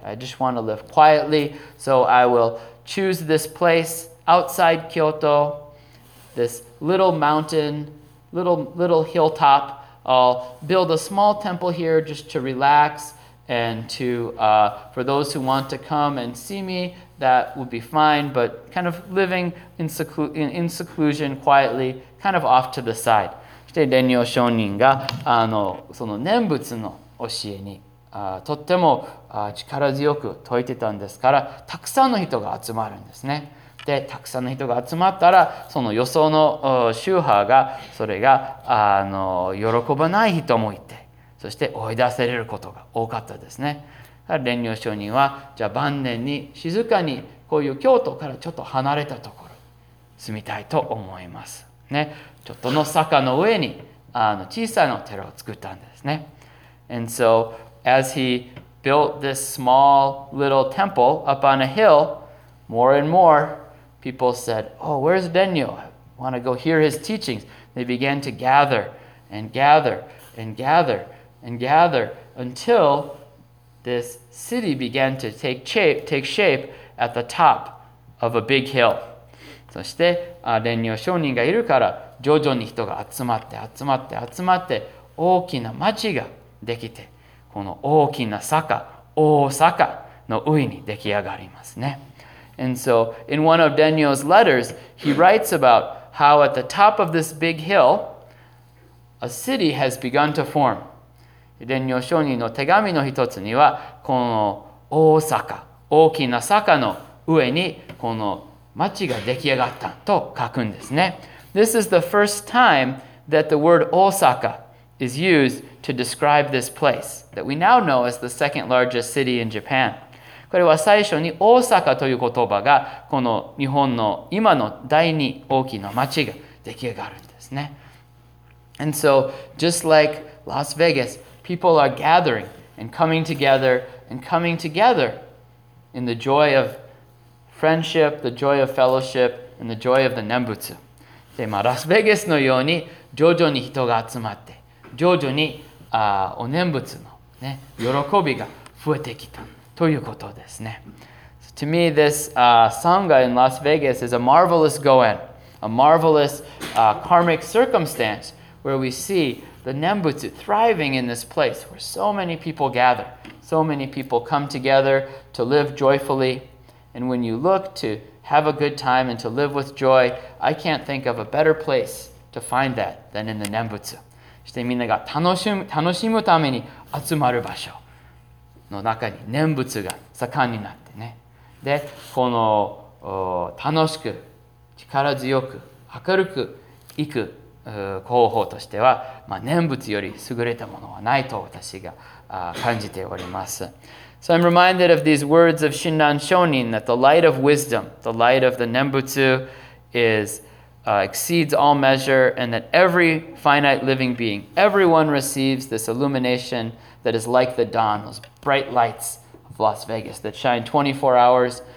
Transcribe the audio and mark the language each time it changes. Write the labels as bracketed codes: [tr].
[en] I just want to live quietly. So I will choose this place outside Kyoto, this little mountain, little hilltop. I'll build a small temple here just to relax and to, for those who want to come and see me, that would be fine. But kind of living in seclusion quietly, kind of off to the side. [ja] そして蓮如上人がその念仏の教えにとっても力強く説いてたんですから、たくさんの人が集まるんですね。でたくさんの人が集まったら、その予想の宗派がそれが喜ばない人もいて、そして追い出されることが多かったですね。蓮如上人はじゃあ晩年に静かにこういう京都からちょっと離れたところに住みたいと思いますね。ちょっとの坂の上に小さな寺を作ったんですね。 [en] And so, as he built this small little temple up on a hill, more and more people said, oh, where's Denyo? I want to go hear his teachings. They began to gather and gather and gather and gather until this city began to take shape at the top of a big hill. [ja] そして、蓮如上人がいるから、徐々に人が集まって集まって集まって大きな町ができて、この大きな坂、大阪の上に出来上がりますね。 [en] And so, in one of Daniel's letters, he writes about how at the top of this big hill, a city has begun to form. [ja] 蓮如上人の手紙の一つには、この大阪、大きな坂の上にこの町が出来上がったと書くんですね。 [en] This is the first time that the word Osaka is used to describe this place that we now know as the second largest city in Japan. [ja] これは最初に大阪という言葉がこの日本の今の第二大きな町が出来上がるんですね。 [en] And so, just like Las Vegas, people are gathering and coming together in the joy of friendship, the joy of fellowship, and the joy of the Nembutsu. [ja] で、まあ、ラスベガスのように徐々に人が集まって、徐々にお念仏の、ね、喜びが増えてきたということですね。 [en] So、to me, this Sangha in Las Vegas is a marvelous goen, a marvelous karmic circumstance where we see the Nembutsu thriving in this place where so many people gather, so many people come together to live joyfully. And when you look to have a good time and to live with joy, I can't think of a better place to find that than in the Nembutsu. [ja] してみんなが楽しむために集まる場所の中に念仏が盛んになってね。で、この楽しく力強く明るく行く方法としては、まあ、念仏より優れたものはないと私が感じております。 [en] So I'm reminded of these words of Shinran Shonin that the light of wisdom, the light of the Nembutsu isexceeds all measure, and that every finite living being, everyone receives this illumination that is like the dawn, those bright lights of Las Vegas that shine 24 hours.